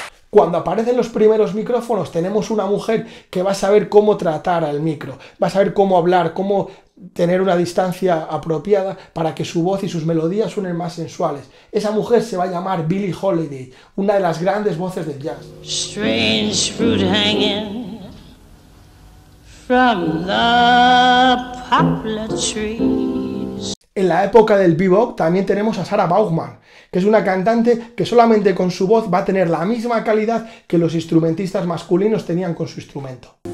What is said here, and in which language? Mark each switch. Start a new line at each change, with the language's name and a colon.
Spanish: Cuando aparecen los primeros micrófonos, tenemos una mujer que va a saber cómo tratar al micro, va a saber cómo hablar, cómo tener una distancia apropiada para que su voz y sus melodías suenen más sensuales. Esa mujer se va a llamar Billie Holiday, una de las grandes voces del jazz.
English: Strange fruit hanging from the poplar trees.
Spanish: En la época del bebop también tenemos a Sarah Vaughan, que es una cantante que solamente con su voz va a tener la misma calidad que los instrumentistas masculinos tenían con su instrumento.